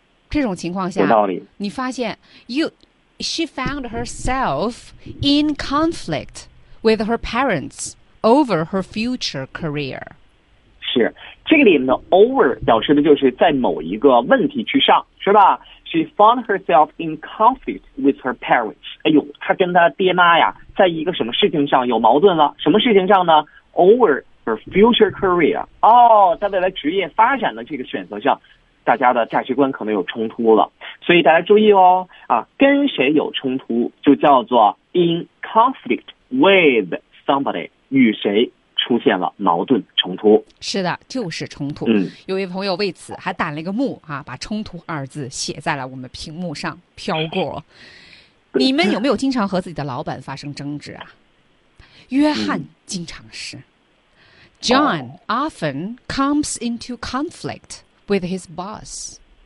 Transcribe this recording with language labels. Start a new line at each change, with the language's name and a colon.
Chinese: 这种情况下，你发现
English: she found herself in conflict with her parents over her future career。
Chinese: 是，这个里面的 over 表示的就是在某一个问题之上，是吧？
English: She found herself in conflict with her parents。
Chinese: 哎呦，她跟她爹妈呀，在一个什么事情上有矛盾了？什么事情上呢？
English: Over her future career，
Chinese: 哦，在未来职业发展的这个选择上，大家的价值观可能有冲突了。所以大家注意哦，啊，跟谁有冲突就叫做
English: in conflict with somebody，
Chinese: 与谁出现了矛盾冲突。是的，就是冲突。嗯，有位朋友为此还打了一个目啊，把“冲突”二字写在了我们屏幕上，飘过。你们有没有经常和自己的老板发生争执啊？约翰经常是
English: John often comes into conflict with his boss。